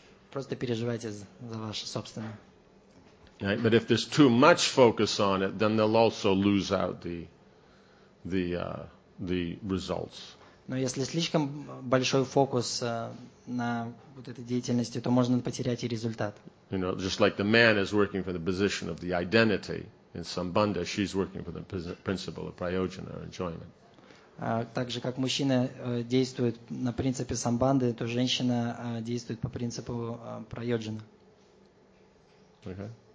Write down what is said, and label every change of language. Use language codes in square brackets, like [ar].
[ru] Просто переживайте за ваше собственное. [en] But if there's too much focus on it, then they'll also lose out the results. [ru] Но если слишком большой фокус на вот этой деятельности, то можно потерять и результат. [en] You know, just like the man is working for the position of the identity in sambandha, she's working for the principle of prayojana, enjoyment. [ru] Так же, как мужчина действует на принципе самбанды, то женщина действует по принципу прайоджана. [en] Okay.